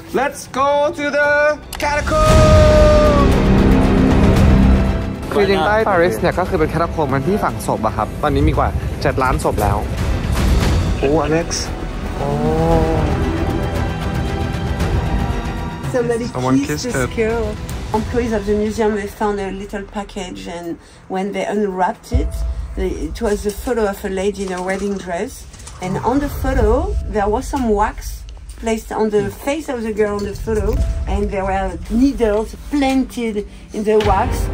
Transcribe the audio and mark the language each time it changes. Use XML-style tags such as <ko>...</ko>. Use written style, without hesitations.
<en>Let's go to the Catacombs!</en> <th>คือยังใต้ปารีสเนี่ยก็คือเป็นแคทาคอมบ์มันที่ฝั่งศพอะครับตอนนี้มีกว่า7ล้านศพแล้วโอ้อเล็ก</th> <en>ซ์โอ้ Somebody kissed this girl. Employees of the museum they found a little package and when they unwrapped it, it was a photo of a lady in a wedding dress. And on the photo there was some wax placed on the face of the girl on the photo and there were needles planted in the wax.</en>